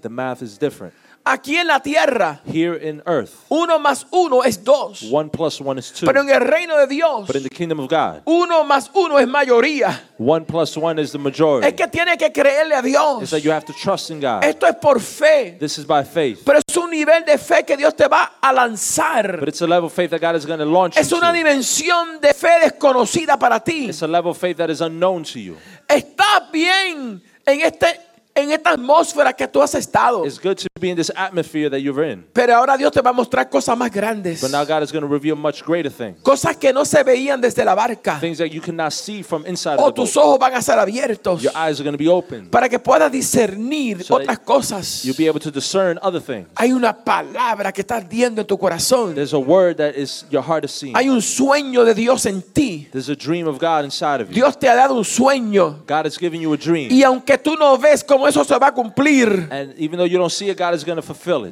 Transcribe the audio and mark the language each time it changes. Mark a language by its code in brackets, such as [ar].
[en] The math is different. [es] Aquí en la tierra. [en] Here in earth. [es] Uno más uno es dos. [en] One plus one is two. [es] Pero en el reino de Dios. [en] But in the kingdom of God. [es] Uno más uno es mayoría. [en] One plus one is the majority. [es] Es que tiene que creerle a Dios. [en] It's that you have to trust in God. [es] Esto es por fe. [en] This is by faith. [es] Pero es un nivel de fe que Dios te va a lanzar. [en] But it's a level of faith that God is going to launch [es] es [en] you. [es] Es una dimensión de fe desconocida para ti. [en] It's a level of faith that is unknown to you. [es] Estás bien en este en esta atmósfera que tú has estado. [en] It's good to be in this atmosphere that you're in. [es] Pero ahora Dios te va a mostrar cosas más grandes. [en] But now God is going to reveal much greater things. [es] Cosas que no se veían desde la barca. [en] Things that you cannot see from inside of the boat. [es] O tus ojos van a ser abiertos. [en] Your eyes are going to be open. [es] Para que puedas discernir so otras cosas. [en] You'll be able to discern other things. [es] Hay una palabra que está ardiendo en tu corazón. [en] There's a word that is your heart is seeing. [es] Hay un sueño de Dios en ti. [en] There's a dream of God inside of you. [es] Dios te ha dado un sueño. [en] God has given you a dream. [es] Y aunque tú no ves cómo eso se va a cumplir. [en] And even though you don't see it, God is going to fulfill it.